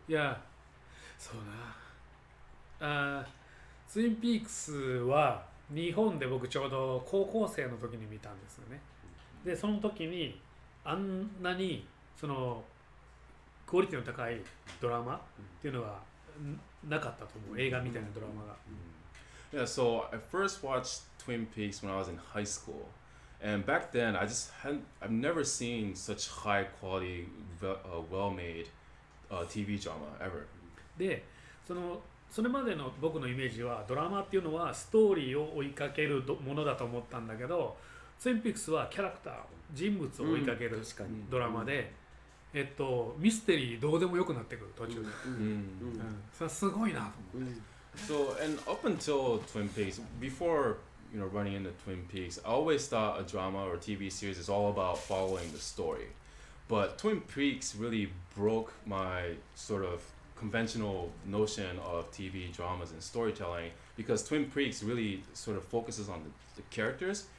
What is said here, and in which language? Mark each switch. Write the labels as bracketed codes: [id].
[ja] Yeah. So Twin Peaks wa 日本で僕ちょうど高校生の時に見たんですよね。で、その時にあんなにそのクオリティの高いドラマっていうのはなかったと思う。映画みたいなドラマが。Yeah, [en] so I first watched Twin Peaks when I was in high school. And back then, I just hadn't, I've never seen such high quality, well-made TV drama ever. [ja] で、その それまでの僕のイメージはドラマっていうのはストーリーを追いかけるものだと思ったんだけど、ツインピークスはキャラクター、人物を追いかけるドラマで、ミステリーどうでもよくなってくる途中で。さすごいなと思って。So [en] and up until Twin Peaks, before you know running into Twin Peaks, I always thought a drama or TV series is all about following the story. But Twin Peaks really broke my sort of conventional notion of TV dramas and storytelling, because Twin Peaks really sort of focuses on the characters.